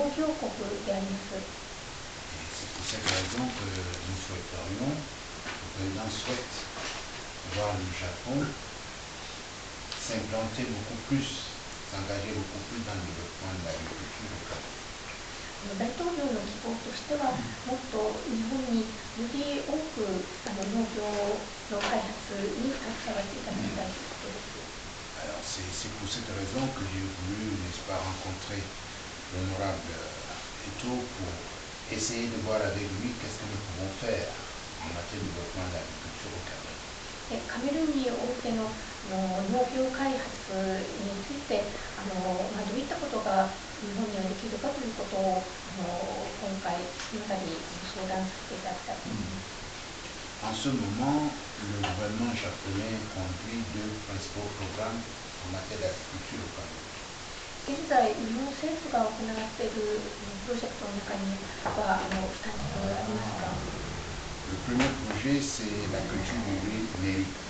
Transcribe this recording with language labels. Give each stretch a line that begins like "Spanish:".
French: Et c'est pour cette raison que nous souhaiterions, le président souhaite voir le Japon s'implanter beaucoup plus, s'engager beaucoup plus dans le développement de l'agriculture au Cameroun.
Japanese: 大統領の希望としては、もっと日本により多く農業の開発に携わっていただきたいということです。
French: Alors, c'est pour cette raison que j'ai voulu, n'est-ce pas, rencontrer l'honorable Eto'o pour essayer de voir avec lui qu'est-ce que nous pouvons faire en matière de développement de l'agriculture au Cameroun。
Japanese: カメルーンにおいて の農業開発について、どういったことが日本にはできるかということを今回今たり相談させていただきたい。
French: En ce moment, le gouvernement japonais conduit deux principaux programmes en matière d'agriculture au Cameroun.
Japanese: 現在日本政府が行っているプロジェクトの中には2つありますか。
French: Le premier projet, c'est la culture du riz Nerika.